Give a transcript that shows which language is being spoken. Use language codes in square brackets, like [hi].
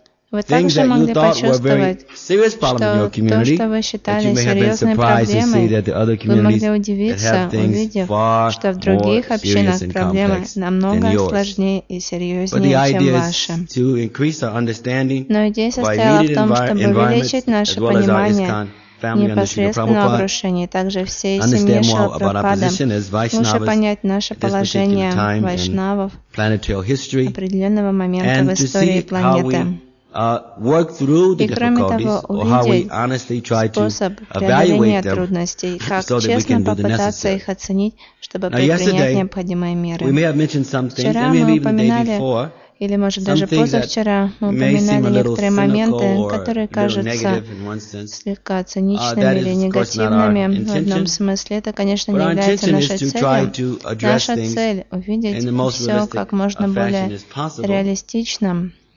[ru] Вы также могли почувствовать, что то, что вы считали серьезной проблемой, вы могли удивиться, увидев, что в других общинах проблемы намного сложнее и серьезнее, чем ваши. Но идея состояла в том, чтобы увеличить наше понимание непосредственно о Гурушене, также всей семье Шрила Прабхупады, лучше понять наше положение вайшнавов определенного момента в истории планеты. [en] Work through the difficulties, or how we honestly try to evaluate them, so that we can do the necessary. Now, yesterday, we may have mentioned some things, and maybe even the day before, [ru] или, может, даже позавчера мы упоминали некоторые моменты, которые кажутся слегка циничными или негативными в одном смысле. Это, конечно, не является нашей целью. Наша цель – увидеть все как можно более реалистичным,